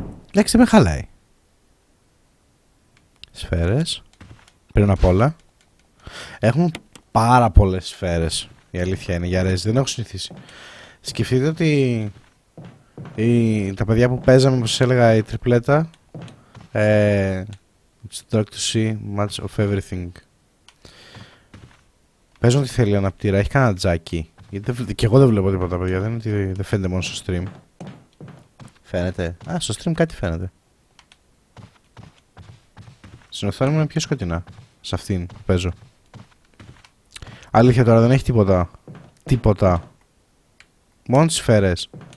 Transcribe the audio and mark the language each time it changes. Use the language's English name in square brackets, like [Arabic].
[Greek] Εντάξει, δεν με χαλάει. Σφαίρες. Πριν απ' όλα. Έχουμε πάρα πολλές σφαίρες. Η αλήθεια είναι, για ρέζι. Δεν έχω συνηθίσει. Σκεφτείτε ότι τα παιδιά που παίζαμε, όπως έλεγα, η τριπλέτα. [English] It's dark to see much of everything. [Greek] Παίζουν τι θέλει αναπτήρα. Έχει κανένα τζάκι. Γιατί και εγώ δεν βλέπω τίποτα, παιδιά. Δεν είναι ότι δεν φαίνεται μόνο στο stream. Φαίνεται. Α, στο stream κάτι φαίνεται. Στην οθόνη μου είναι πιο σκοτεινά. Σε αυτήν παίζω. Αλήθεια τώρα, δεν έχει τίποτα. Τίποτα. Μόνο τις σφαίρες.